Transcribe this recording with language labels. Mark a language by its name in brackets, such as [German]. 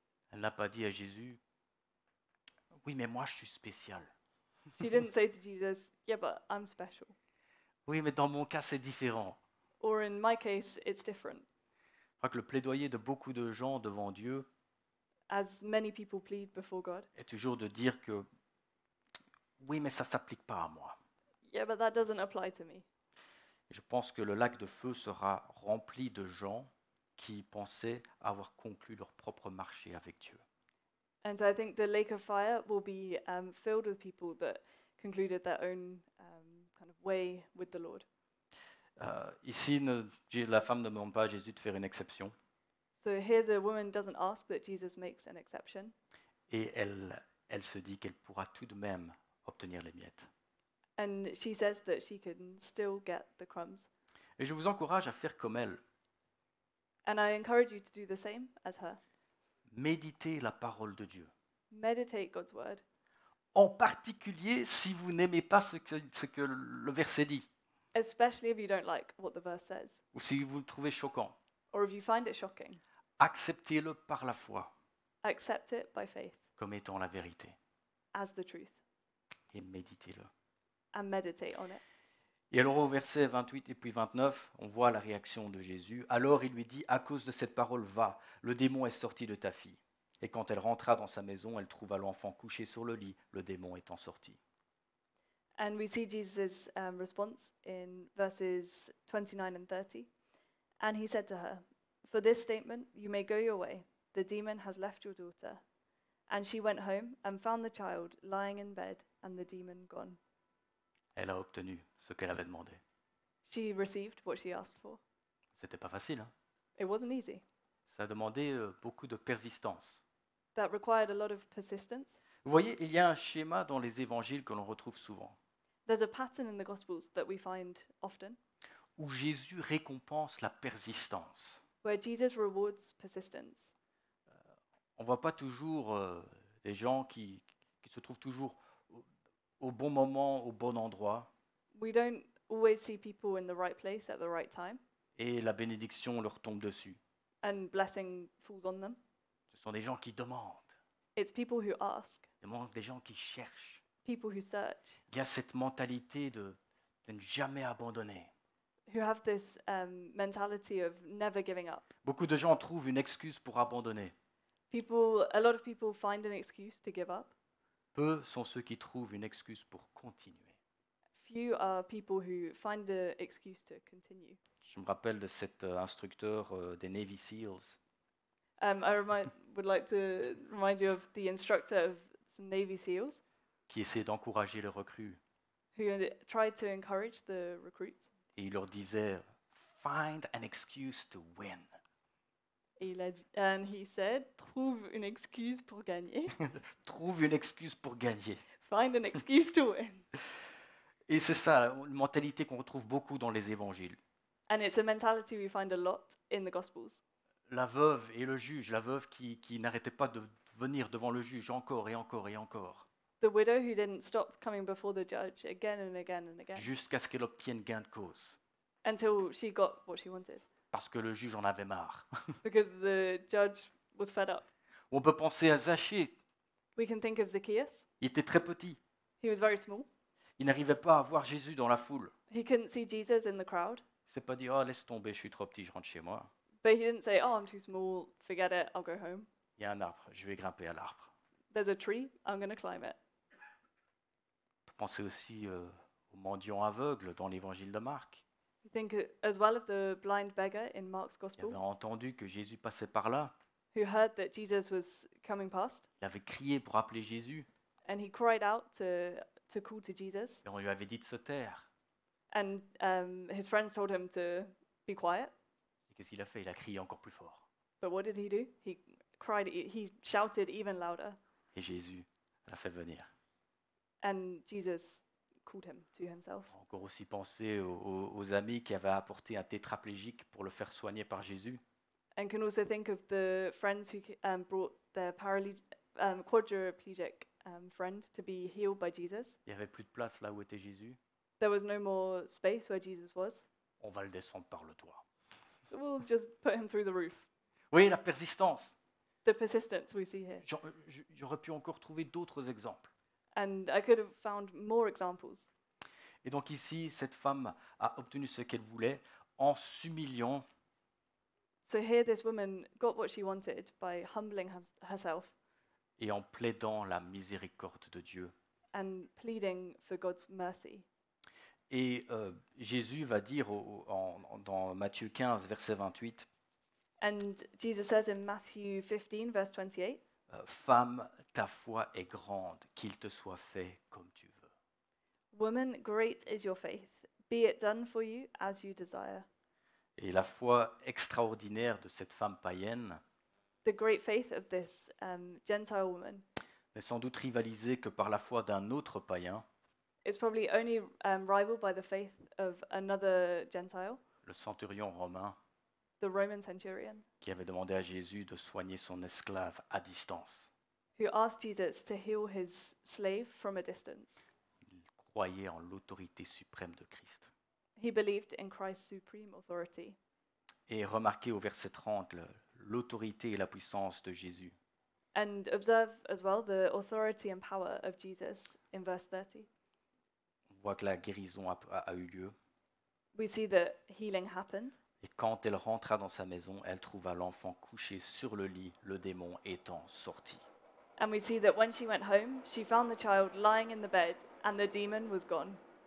[French] Elle n'a pas dit à Jésus, oui, mais moi je suis spéciale. [English] She didn't say to Jesus, yeah, but I'm special. [French] Oui, mais dans mon cas c'est différent. [English] Or in my case it's different. [French] Je crois que le plaidoyer de beaucoup de gens devant Dieu, [English] as many people plead before God, [French] et toujours de dire que oui, mais ça s'applique pas à moi. [English] Yeah, but that doesn't apply to me. [French] Je pense que le lac de feu sera rempli de gens qui pensaient avoir conclu leur propre marché avec Dieu. [English] And so I think the lake of fire will be filled with people that concluded their own kind of way with the Lord. [French] Ici, la femme ne demande pas à Jésus de faire une exception. [English] So here the woman doesn't ask that Jesus makes an exception. [French] Et elle se dit qu'elle pourra tout de même obtenir les miettes. [English] And she says that she can still get the crumbs. [French] Et je vous encourage à faire comme elle. [English] And I encourage you to do the same as her. [French] Méditez la parole de Dieu. [English] Meditate God's word. [French] En particulier si vous n'aimez pas ce que le verset dit. [English] Especially if you don't like what the verse says. [French] Ou si vous le trouvez choquant. [English] Or if you find it shocking. [French] Acceptez-le par la foi. [English] Accept it by faith. [French] comme étant la vérité. [English] As the truth. [French] Et méditez-le. [English] And meditate on it. [French] Et alors au verset 28 et puis 29, on voit la réaction de Jésus. Alors il lui dit, à cause de cette parole, va, le démon est sorti de ta fille. Et quand elle rentra dans sa maison, elle trouva l'enfant couché sur le lit, le démon étant sorti. [English] And we see Jesus' response in verses 29 and 30. And he said to her, for this statement, you may go your way. The demon has left your daughter. And she went home and found the child lying in bed and the demon gone. [French] Elle a obtenu ce qu'elle avait demandé. [English] She received what she asked for. [French] C'était pas facile. Hein? [English] It wasn't easy. [French] Ça a demandé beaucoup de persistance. [English] That required a lot of persistence. [French] Vous voyez, il y a un schéma dans les évangiles que l'on retrouve souvent. [English] There's a pattern in the Gospels that we find often. [French] Où Jésus récompense la persistance. [English] Where Jesus rewards persistence. [French] On voit pas toujours des gens qui se trouvent toujours au bon moment, au bon endroit. [English] We don't always see people in the right place at the right time. [French] Et la bénédiction leur tombe dessus. [English] And blessing falls on them. [French] Ce sont des gens qui demandent. [English] It's people who ask. [French] Des gens qui cherchent. [English] People who search. [French] Il y a cette mentalité de ne jamais abandonner. [English] Who have this mentality of never giving up. [French] Beaucoup de gens trouvent une excuse pour abandonner. [English] A lot of people find an excuse to give up. [French] Peu sont ceux qui trouvent une excuse pour continuer. [English] Few are people who find an excuse to continue. [French] Je me rappelle de cet instructeur des Navy SEALs. [English] Would like to remind you of the instructor of some Navy SEALs. [French] Qui essayait d'encourager les recrues. [English] Who tried to encourage the recruits. [French] Et il leur disait, [English] find an excuse to win. And he said, [French] trouve une excuse pour gagner. Trouve une excuse pour gagner. [English] Find an excuse to win. [French] Et c'est ça, une mentalité qu'on retrouve beaucoup dans les évangiles. [English] And it's a mentality we find a lot in the Gospels. [French] La veuve et le juge, la veuve qui n'arrêtait pas de venir devant le juge encore et encore et encore. [English] The widow who didn't stop coming before the judge again and again and again. [French] Jusqu'à ce qu'elle obtienne gain de cause. [English] Until she got what she wanted. [French] Parce que le juge en avait marre. [English] Because the judge was fed up. [French] On peut penser à Zachée. [English] We can think of Zacchaeus. [French] Il était très petit. [English] He was very small. [French] Il n'arrivait pas à voir Jésus dans la foule. [English] He couldn't see Jesus in the crowd. [French] C'est pas dire, oh, laisse tomber, je suis trop petit, je rentre chez moi. [English] But he didn't say, oh, I'm too small, forget it, I'll go home. [French] Il y a un arbre, je vais grimper à l'arbre. [English] There's a tree, I'm going to climb it. [French] On peut penser aussi au mendiant aveugle dans l'évangile de Marc. [English] You think as well of the blind beggar in Mark's gospel. [French] Il avait entendu que Jésus passait par là. [English] Who heard that Jesus was coming past. [French] Il avait crié pour appeler Jésus. [English] And he cried out to call to Jesus. [French] Et on lui avait dit de se taire. [English] And his friends told him to be quiet. [French] Et qu'est-ce qu'il a fait? Il a crié encore plus fort. [English] But what did he do? He cried. He shouted even louder. [French] Et Jésus l'a fait venir. [English] And Jesus called him to himself. [French] Encore aussi penser aux amis qui avaient apporté un tétraplégique pour le faire soigner par Jésus. [English] And can also think of the friends who brought their quadriplegic friend to be healed by Jesus. [French] Il n'y avait plus de place là où était Jésus. [English] There was no more space where Jesus was. [French] On va le descendre par le toit. [English] So we'll just put him through the roof. [French] Oui, la persistance. [English] The persistence we see here. [French] J'aurais pu encore trouver d'autres exemples. [English] And I could have found more examples. [French] Et donc ici, cette femme a obtenu ce qu'elle voulait en s'humiliant. [English] So here this woman got what she wanted by humbling herself. [French] Et en plaidant la miséricorde de Dieu. [English] And pleading for God's mercy. [French] Et Jésus va dire dans Matthieu 15, verset 28. [English] And Jesus says in Matthew 15, verse 28. [French] Femme, ta foi est grande, qu'il te soit fait comme tu veux. [English] Woman, great is your faith. Be it done for you as you desire. [French] Et la foi extraordinaire de cette femme païenne. [English] The great faith of this Gentile woman. [French] N'est sans doute rivalisée que par la foi d'un autre païen. [English] It's probably only rivaled by the faith of another Gentile. [French] Le centurion romain. [English] The Roman centurion. [French] Qui avait demandé à Jésus de soigner son esclave à distance. [English] Who asked Jesus to heal his slave from a distance. [French] Il croyait en l'autorité suprême de Christ. [English] He believed in Christ's supreme authority. [French] Et remarquez au verset 30 l'autorité et la puissance de Jésus. [English] And observe as well the authority and power of Jesus in verse 30. [French] On voit que la guérison a eu lieu. [English] We see that healing happened. [French] Et quand elle rentra dans sa maison, elle trouva l'enfant couché sur le lit, le démon étant sorti. [English] And we see that when she went home, she found the child lying in the bed and the demon was gone.